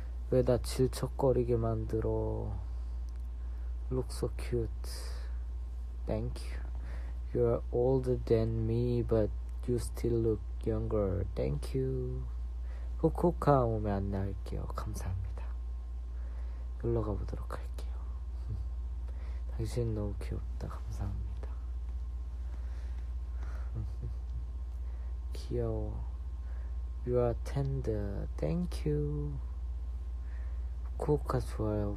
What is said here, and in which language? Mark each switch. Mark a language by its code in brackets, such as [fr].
[ko] 왜 나 질척거리게 만들어? [en] Look so cute. Thank you. You're older than me, but you still look younger. Thank you. [ko] 후쿠오카 오면 안내할게요. 감사합니다. 놀러 가보도록 할게요. 당신 너무 귀엽다. 감사합니다. 귀여워. [en] You are tender. Thank you. [ko] 후쿠오카 좋아요.